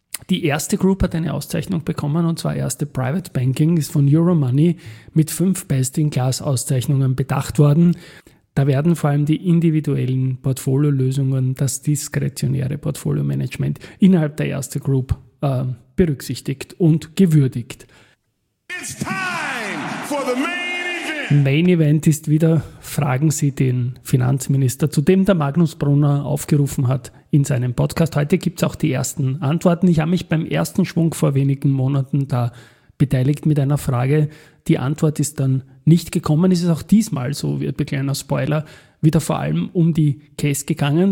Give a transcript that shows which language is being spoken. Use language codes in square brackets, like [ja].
[de] Die erste Group hat eine Auszeichnung bekommen, und zwar erste Private Banking ist von Euromoney mit 5 Best-in-Class-Auszeichnungen bedacht worden. Da werden vor allem die individuellen Portfoliolösungen, das diskretionäre Portfolio-Management innerhalb der Erste Group berücksichtigt und gewürdigt. [en] It's time for the main event. [de] Main Event ist wieder, fragen Sie den Finanzminister, zu dem der Magnus Brunner aufgerufen hat in seinem Podcast. Heute gibt es auch die ersten Antworten. Ich habe mich beim ersten Schwung vor wenigen Monaten da beteiligt mit einer Frage. Die Antwort ist dann nicht gekommen. Es ist auch diesmal, so wird ein kleiner Spoiler, wieder vor allem um die Case gegangen.